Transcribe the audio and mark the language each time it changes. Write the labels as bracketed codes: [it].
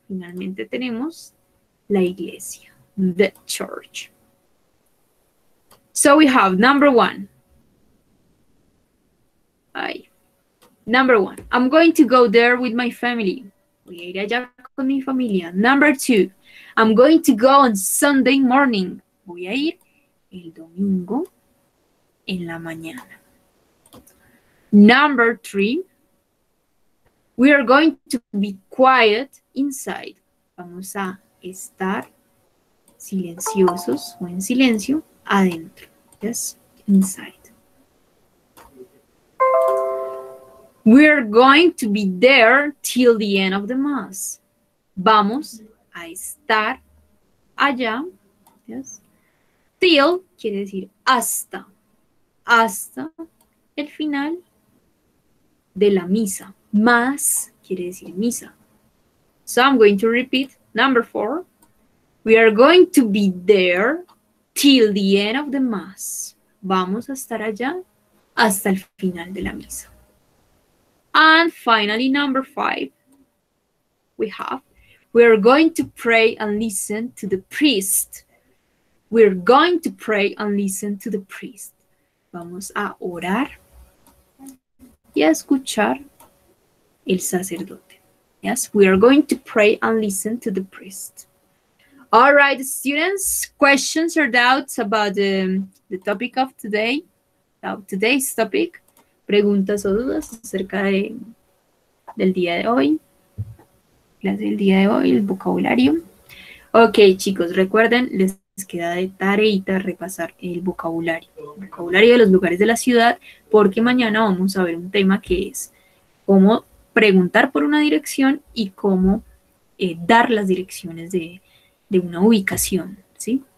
[es] Finalmente tenemos la iglesia, the church. [en] So we have number one. Number one, I'm going to go there with my family. [es] Voy a ir allá con mi familia. [en] Number two, I'm going to go on Sunday morning. [es] Voy a ir el domingo en la mañana. [en] Number three, we are going to be quiet inside. [es] Vamos a estar silenciosos o en silencio adentro. [en] Yes, inside. We're going to be there till the end of the mass. [es] Vamos a estar allá. Yes. Till quiere decir hasta. Hasta el final de la misa. [en] Mass [es] quiere decir misa. [en] So I'm going to repeat number four. We are going to be there till the end of the mass. [es] Vamos a estar allá hasta el final de la misa. [en] And finally, number five, we're going to pray and listen to the priest. We're going to pray and listen to the priest. [es] Vamos a orar y a escuchar el sacerdote. [en] Yes, we are going to pray and listen to the priest. All right, students, questions or doubts about the topic of today, about today's topic? [es] Preguntas o dudas acerca del día de hoy, clase del día de hoy, el vocabulario. Ok, chicos, recuerden, les queda de tareita repasar el vocabulario. El vocabulario de los lugares de la ciudad, porque mañana vamos a ver un tema que es cómo preguntar por una dirección y cómo dar las direcciones de una ubicación, ¿sí?